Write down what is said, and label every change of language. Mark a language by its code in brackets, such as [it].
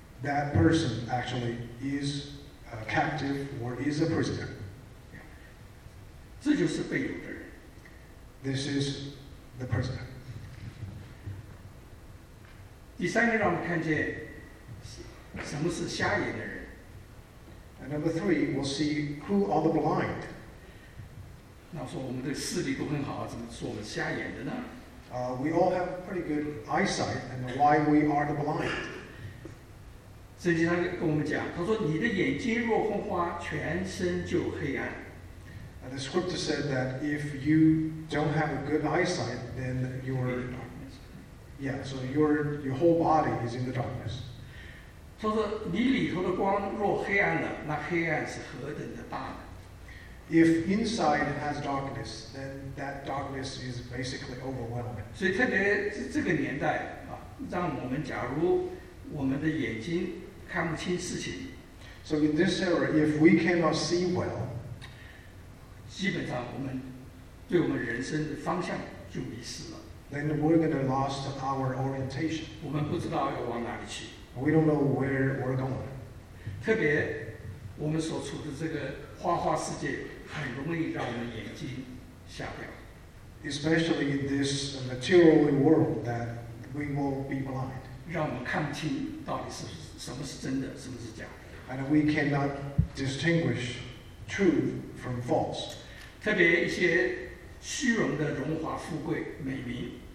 [en] That person actually is a captive or is a prisoner [zh] 这就是被掳的人。 [en] This is the prisoner. [zh] 第三个让我们看见什么是瞎眼的人。 [en] And number three, we'll see who are the blind. [zh] 那说我们的视力都很好，怎么说我们瞎眼的呢？ [en] We all have pretty good eyesight, and why we are the blind. [zh] 圣经上跟我们讲，他说你的眼睛若昏花，全身就黑暗。 [en] And the scripture said that if you don't have a good eyesight, then you're in darkness. Yeah, so your whole body is in the darkness. [zh] 说说你里头的光若黑暗了，那黑暗是何等的大呢？ [en] If inside has darkness, then that darkness is basically overwhelming. [zh] 所以特别是这个年代啊，让我们假如我们的眼睛看不清事情。 [en] So in this era, if we cannot see well, [zh] 基本上我们对我们人生的方向就迷失了。 [en] Then we're going to lost our orientation. [zh] 我们不知道要往哪里去。 [en] We don't know where we're going. [zh] 特别我们所处的这个花花世界很容易让我们眼睛瞎掉。 [en] Especially in this material world that we will be blind. [zh] 让我们看不清到底是什么是真的什么是假的。 [en] And we cannot distinguish truth. From false. [zh] 特别一些虚荣的荣华富贵美名